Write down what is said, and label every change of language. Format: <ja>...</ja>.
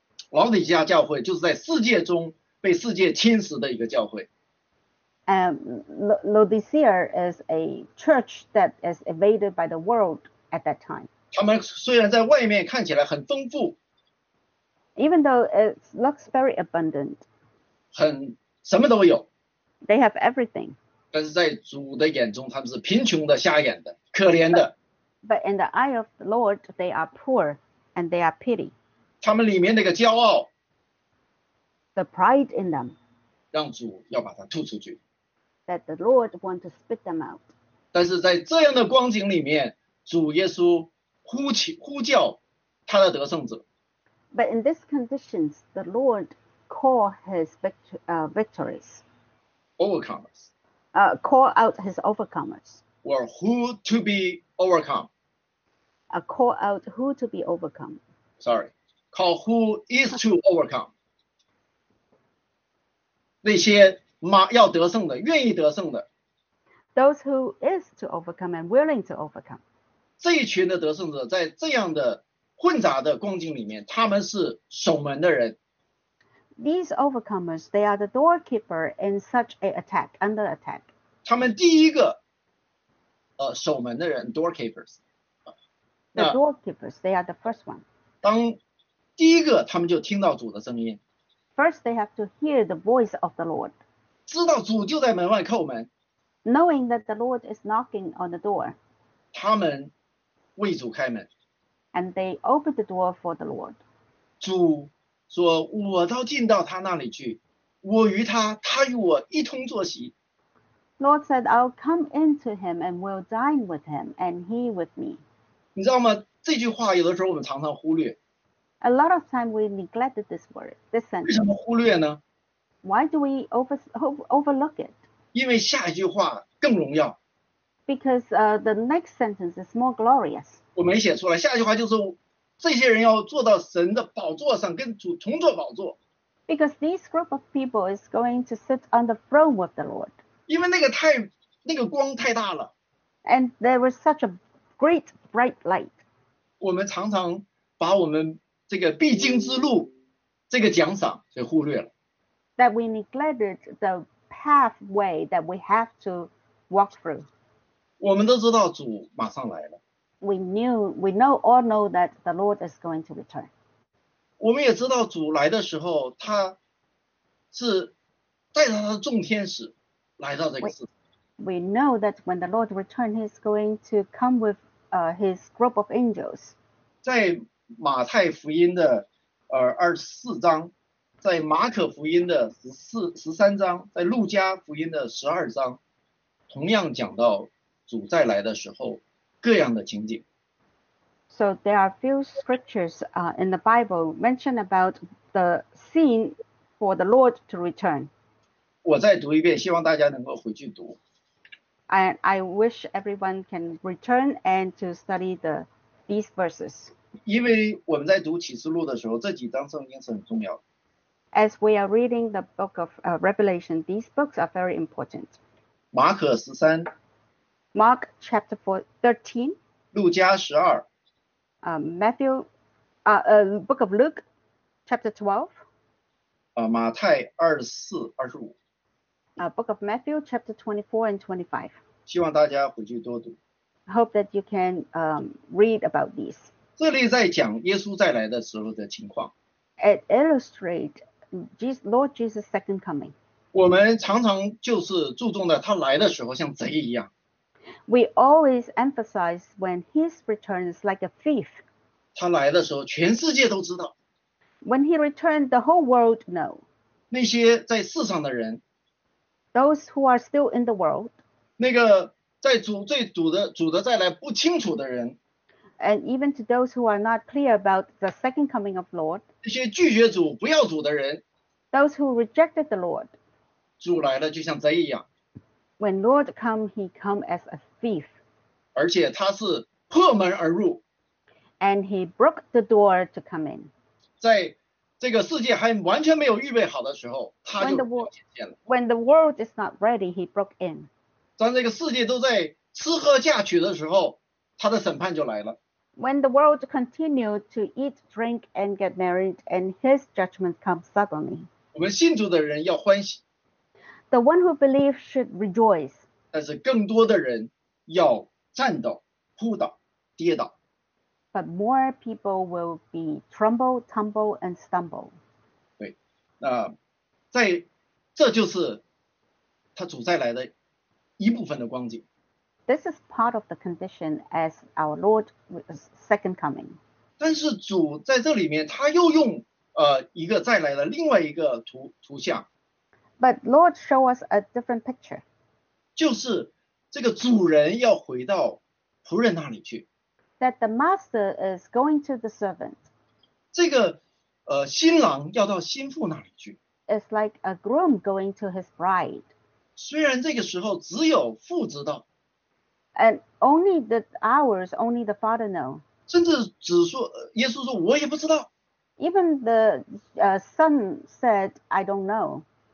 <zh>老底嘉教会就是在世界中被世界侵蚀的一个教会。</zh> <en>Laodicea is a church that is invaded by the world at that time.</en> <zh>他们虽然在外面看起来很丰富，</zh> <en>Even though it looks very abundant,</en> <zh>很什么都有，</zh> <en>they have everything.</en> <zh>但是在主的眼中，他们是贫穷的、瞎眼的、可怜的。</zh> <en>But in the eye of the Lord, they are poor and they are pity.</en> <zh>他们里面那个骄傲，</zh> <en>the pride in them,</en> <zh>让主要把它吐出去。</zh> <en>That the Lord want to spit them out.</en> <zh>但是在这样的光景里面，主耶稣呼叫他的得胜者。</zh> <en>But in these conditions, the Lord call his victories, overcomers, call out his overcomers, or who to be overcome. Call out who to be overcome. Sorry, call who is to overcome.</en> <zh>那些要得胜的，愿意得胜的。</zh> <en>Those who is to overcome and willing to overcome.</en> <zh>这一群的得胜者在这样的混杂的光景里面，他们是守门的人。</zh> <en>These overcomers, they are the doorkeeper in such a attack, under attack.</en> <zh>他们第一个，守门的人 ，doorkeepers。</zh> <en>The doorkeepers, they are the first one.</en> <zh>当第一个，他们就听到主的声音。</zh> <en>First, they have to hear the voice of the Lord.</en> <zh>知道主就在门外叩门。</zh> <en>Knowing that the Lord is knocking on the door.</en> <zh>他们为主开门。</zh> <en>And they opened the door for the Lord.</en> <zh>主说，我都进到他那里去，我与他，他与我一同坐席。</zh> <en>Lord said, I'll come into him and will dine with him, and he with me.</en> <zh>你知道吗？这句话有的时候我们常常忽略。</zh> <en>A lot of time we neglected this word, this sentence.</en> <zh>为什么忽略呢</zh> <en>？Why do we overlook it?</en> <zh>因为下一句话更荣耀。</zh> <en>Because the next sentence is more glorious.</en> <zh>我没写出来，下一句话就是这些人要坐到神的宝座上，跟主同坐宝座。</zh> <en>Because this group of people is going to sit on the throne with the Lord.</en> <zh>因为那个光太大了。</zh> <en>And there was such a great bright light.</en> <zh>我们常常把我们这个必经之路这个奖赏给忽略了。</zh> <en>That we neglected the pathway that we have to walk through.</en> <zh>我们都知道主马上来了。</zh> <en>We all know that the Lord is going to return.</en> <zh>我们也知道主来的时候，他是带着他的众天使来到这个世上。</zh> <en>We know that when the Lord returns, he's going to come with his group of angels.</en> <zh>在马太福音的24章，在马可福音的13章，在路加福音的12章，同样讲到主再来的时候。各样的情景。</zh> <en>So there are a few scriptures in the Bible mentioned about the scene for the Lord to return.</en> <zh>我再读一遍，希望大家能够回去读。</zh> <en>I wish everyone can return and to study these verses.</en> <zh>因为我们在读启示录的时候，这几章圣经是很重要的。</zh> <en>As we are reading the book of Revelation, these books are very important.</en> <zh>马可十三。</zh> <en>Mark chapter 13,</en> <zh>路加十二，</zh> <en>Matthew, book of Luke, chapter 12,</en> <zh>马太24、25,</zh> <en>book of Matthew, chapter 24 and 25.</en> <zh>希望大家回去多读。</zh> <en>Hope that you can read about these.</en> <zh>这里在讲耶稣再来的时候的情况。</zh> <en>It illustrates Lord Jesus' second coming.</en> <zh>我们常常就是注重的他来的时候像贼一样。</zh> <en>We always emphasize when his return is like a thief.</en> <zh>他来的时候，全世界都知道。</zh> <en>When he returned, the whole world know.</en> <zh>那些在世上的人。</zh> <en>Those who are still in the world.</en> <zh>那个在主的再来不清楚的人。</zh> <en>And even to those who are not clear about the second coming of Lord.</en> <zh>那些拒绝主不要主的人。</zh> <en>Those who rejected the Lord.</en> <zh>主来了就像贼一样。</zh> <en>When Lord come, he come as a thief.</en> <zh>而且他是破门而入。</zh> <en>And he broke the door to come in.</en> <zh>在这个世界还完全没有预备好的时候，他就进去了。</zh> <en>When the world is not ready, he broke in.</en> <zh>当这个世界都在吃喝嫁娶的时候，他的审判就来了。</zh> <en>When the world continued to eat, drink, and get married, and his judgment comes suddenly.</en> <zh>我们信主的人要欢喜。</zh> <en>The one who believes should rejoice.</en> <zh>但是更多的人要站倒、扑倒、跌倒。</zh> <en>But more people will be trembled, tumble, and stumble.</en> <zh>对，那在这就是他主再来的一部分的光景。</zh> <en>This is part of the condition as our Lord's second coming.</en> <zh>但是主在这里面，他又用一个再来的另外一个图像。</zh> <en>But Lord show us a different picture.</en> <zh>就是这个主人要回到仆人那里去。</zh> <en>That the master is going to the servant.</en> <zh>这个新郎要到新妇那里去。</zh> <en>It's like a groom going to his bride.</en> <zh>虽然这个时候只有父知道。</zh> <en>And only the hours, only the father know.</en> <zh>甚至只说耶稣说我也不知道。</zh> <en>Even the son said, I don't know.</en>